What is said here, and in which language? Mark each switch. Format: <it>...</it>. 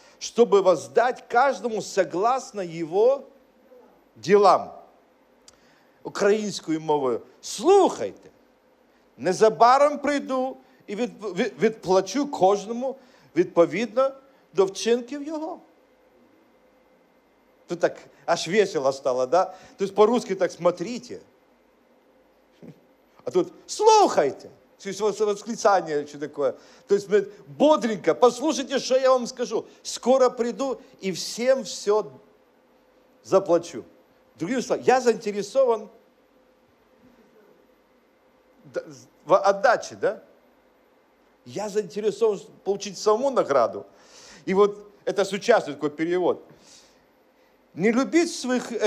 <ru>Чтобы воздать каждому согласно его делам. Украинскую мову.</ru> <uk>Слухайте, незабаром прийду і відплачу кожному відповідно до вчинків його. Тут так аж весело стало, да? Тобто</uk> <ru>по-русски так смотрите.</ru> <uk>А тут слухайте. Це восклицання чи таке. Тобто бодренько, послухайте, що я вам скажу. Скоро прийду і всім все заплачу.</uk> <ru>Другими словами, я заінтересован в отдачі, да? Я заинтересован получить саму награду. И вот это сучасный такой перевод. Не любить своих...</ru>